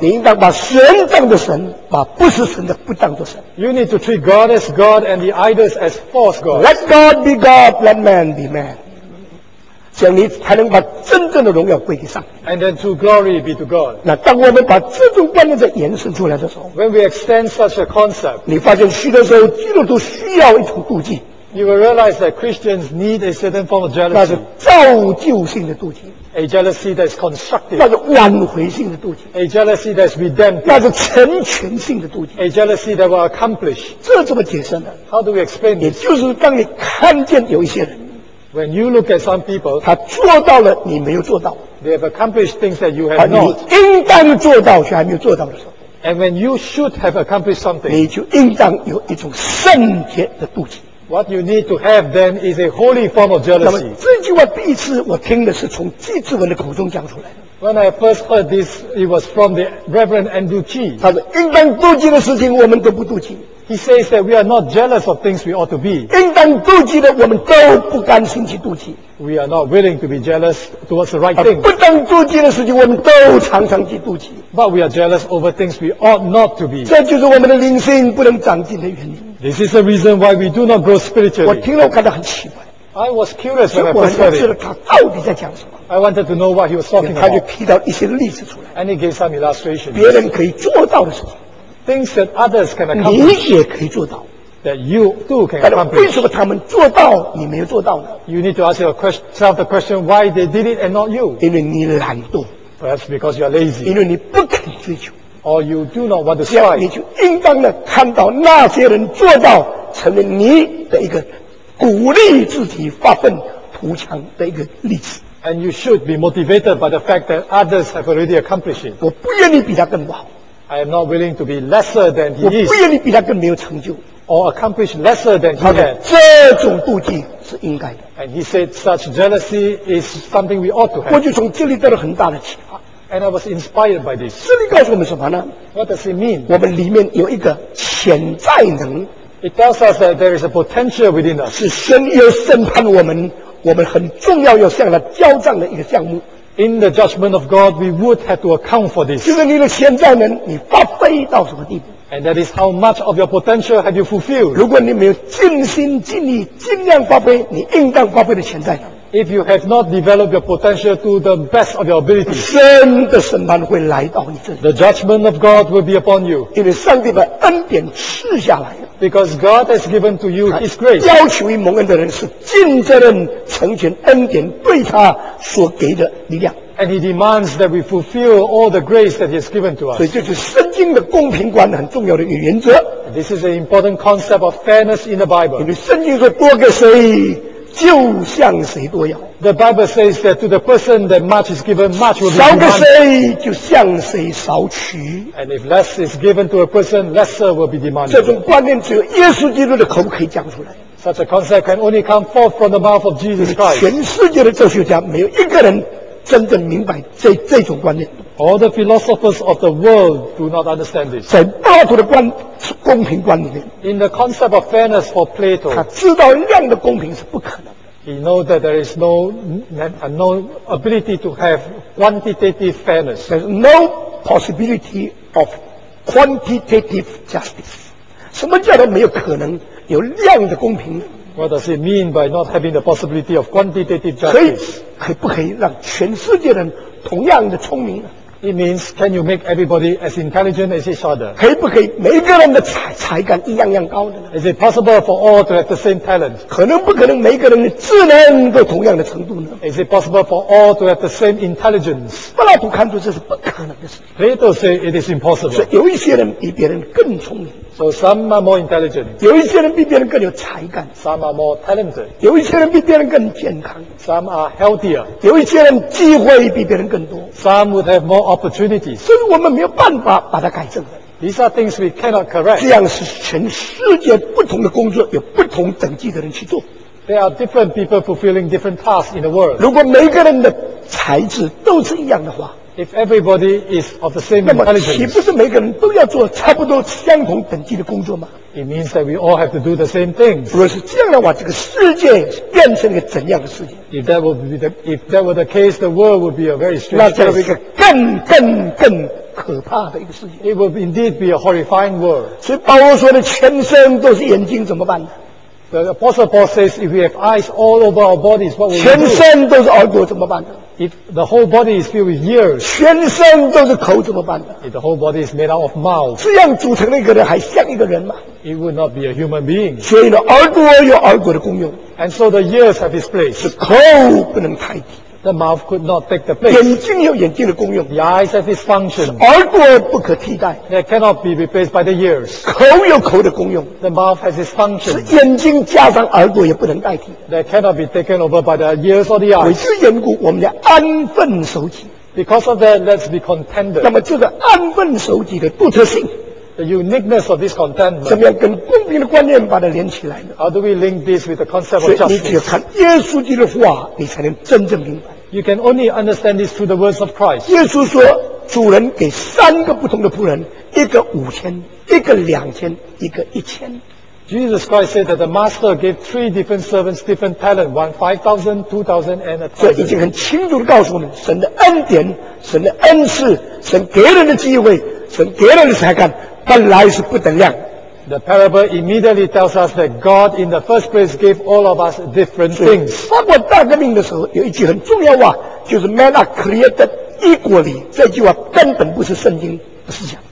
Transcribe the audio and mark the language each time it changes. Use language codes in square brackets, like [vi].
[zh] 你应当把神当作神，把不是神的不当作神。 [en] You need to treat God as God and the idols as false gods. Let God be God, let man be man。 [zh] 这样你才能把真正的荣耀归给上帝。 [en] And then true glory be to God。 [zh] 那当我们把这种观念再延伸出来的时候 [en] ，When we extend such a concept， [zh] 你发现许多时候基督徒需要一种妒忌。 [en] You will realize that Christians need a certain form of jealousy。 [zh] 那是造就性的妒忌。 [en] A jealousy that is constructive. [zh] 那是挽回性的妒忌。 [en] A jealousy that is redemptive. [zh] 那是成全性的妒忌。 [en] A jealousy that will accomplish. [zh] 这怎么解释呢 [en] ？How do we explain this? [zh] 也就是当你看见有一些人 [en] ，When you look at some people， [zh] 他做到了你没有做到 [en] ，They have accomplished things that you have not。 [zh] 你应当做到却还没有做到的时候 [en] ，And when you should have accomplished something， [zh] 你就应当有一种圣洁的妒忌。 [en] What you need to have then is a holy form of jealousy. [zh] 那么这句话第一次我听的是从季志文的口中讲出来的。 [en] When I first heard this, it was from the Reverend Andrew Chi. [zh] 他说应当妒忌的事情我们都不妒忌。 [en] He says that we are not jealous of things we ought to be. [zh] 应当妒忌的我们都不甘心去妒忌。 [en] We are not willing to be jealous towards the right things. [zh] 不当妒忌的事情我们都常常去妒忌。 [en] But we are jealous over things we ought not to be. [zh] 这就是我们的灵性不能长进的原因。 [en] This is the reason why we do not grow spiritually. [zh] 我听了我感到很奇怪。 [en] I was curious when I first heard it. [zh] 我想知道他到底在讲什么。 [en] I wanted to know what he was talking about. [zh] 他就提到一些例子出来。 [en] And he gave some illustrations. [zh] 别人可以做到的事情。 [en] Things that others can accomplish. [zh] 你也可以做到。 [en] That you too can accomplish. [zh] 但是为什么他们做到你没有做到呢 [en] ？You need to ask yourself the question why they did it and not you. [zh] 因为你懒惰。 [en] Perhaps because you are lazy. [zh] 因为你不肯追求。 [en] Or you do not want to strive. [zh] 这样你就应当的看到那些人做到，成为你的一个鼓励自己发奋图强的一个例子。 [en] And you should be motivated by the fact that others have already accomplished it. [zh] 我不愿意比他更不好。 [en] I am not willing to be lesser than he is. [zh] 我不愿意比他更没有成就。 [en] Or accomplish lesser than he had. [zh] 这种妒忌是应该的。 [en] And he said such jealousy is something we ought to have. [zh] 我就从这里得了很大的启发。 [en] And I was inspired by this. [zh] 这里告诉我们什么呢 [en] ？What does it mean? [zh] 我们里面有一个潜在能。 [en] It tells us that there is a potential within us. [zh] 是神要审判我们，我们很重要要向他交账的一个项目。 [en] In the judgment of God, we would have to account for this. [zh] 就是你的潜在能，你发挥到什么地步 [en] ？And that is how much of your potential have you fulfilled? [zh] 如果你没有尽心尽力、尽量发挥你应当发挥的潜在能。 [en] If you have not developed your potential to the best of your ability, [zh] 神的审判会来到你这里。 [en] The judgment of God will be upon you. [zh] 因为上帝把恩典赐下来了。 [en] Because God has given to you His grace. [zh] 要求于蒙恩的人是尽责任成全恩典对他所给的力量。 [en] And He demands that we fulfill all the grace that He has given to us. [zh] 所以这是圣经的公平观很重要的一个原则。 [en] This is an important concept of fairness in the Bible. [zh] 因为圣经说多给谁。就像谁多要 [en] ，The Bible says that to the person that much is given, much will be demanded. [zh] 少给谁，就向谁少取。 [en] And if less is given to a person, lesser will be demanded. [zh] 这种观念只有耶稣基督的口可以讲出来。 [en] Such a concept can only come forth from the mouth of Jesus Christ. [zh] 全世界的哲学家没有一个人真正明白这种观念。 [en] All the philosophers of the world do not understand this. [zh] 在柏拉图的公平观里面 [en] ，In the concept of fairness for Plato， [zh] 他知道量的公平是不可能的。 [en] He knows that there is no ability to have quantitative fairness. There's no possibility of quantitative justice. [zh] 什么叫做没有可能有量的公平 [en] ？What does it mean by not having the possibility of quantitative justice？ [zh] 可不可以让全世界人同样的聪明呢？ [en] It means can you make everybody as intelligent as each other? [zh] 可以不可以每个人的才干一样样高的呢？ [en] Is it possible for all to have the same talent? [zh] 可能不可能每个人的智能都同样的程度呢？ [en] Is it possible for all to have the same intelligence? [zh] 柏拉图看出这是不可能的事。 [en] Plato say it is impossible. [zh] 所以有一些人比别人更聪明。 [en] So some are more intelligent. [zh] 有一些人比别人更有才干。 [en] Some are more talented. [zh] 有一些人比别人更健康。 [en] Some are healthier. [zh] 有一些人机会比别人更多。 [en] Some would have more opportunities. [zh] 所以我们没有办法把它改正的。 [en] These are things we cannot correct. [zh] 这样是全世界不同的工作，有不同等级的人去做。 [en] There are different people fulfilling different tasks in the world. [zh] 如果每个人的才智都是一样的话， [en] If everybody is of the same intelligence, [zh] 那么岂不是每个人都要做差不多相同等级的工作吗？ [en] It means that we all have to do the same things. [zh] 如果是这样的话，这个世界变成了一个怎样的世界？ [en] If that were the case, the world would be a very strange place. [zh] 那就是一个更可怕的一个世界。 [en] It would indeed be a horrifying world. [zh] 所以保罗说的全身都是眼睛怎么办呢？ [en] The apostle Paul says, if we have eyes all over our bodies, what will we do? [zh] 全身都是耳朵怎么办呢？ [en] If the whole body is filled with ears, [zh] 全身都是口怎么办呢？ [en] If the whole body is made out of mouth, [zh] 这样组成的一个人还像一个人吗？ [en] It would not be a human being. [zh] 所以呢，耳朵有耳朵的功用。 [en] And so the ears have its place. [zh] 是口不能太低。 [en] The mouth could not take the place. [zh] 眼睛有眼睛的功用。 [en] The eyes have its function. [zh] 是耳朵不可替代。 [en] They cannot be replaced by the ears. [zh] 口有口的功用。 [en] The mouth has its function. [zh] 是眼睛加上耳朵也不能代替。 [en] They cannot be taken over by the ears or the eyes. [zh] 为此缘故，我们要安分守己。 [en] Because of that, let's be contented. [zh] 那么这个安分守己的独特性。 [en] The uniqueness of this contentment. [zh] 怎么样跟公平的观念把它连起来呢？ [en] How do we link this with the concept of justice? [zh] 所以你只有看耶稣基督的话，你才能真正明白。 [en] You can only understand this through the words of Christ. [zh] 耶稣说，主人给三个不同的仆人，一个五千，一个两千，一个一千。 [en] Jesus Christ said that the master gave three different servants different talent, one 5,000, 2,000, and a thousand. [zh] 这已经很清楚地告诉我们，神的恩典、神的恩赐、神给人的机会、神给人的才干。本来是不等量。 [en] The parable immediately tells us that God in the first place gave all of us different things. [zh] 法国大革命的时候有一句很重要话，就是 [en] "Men are created equally." [zh] 这句话根本不是圣经的思想。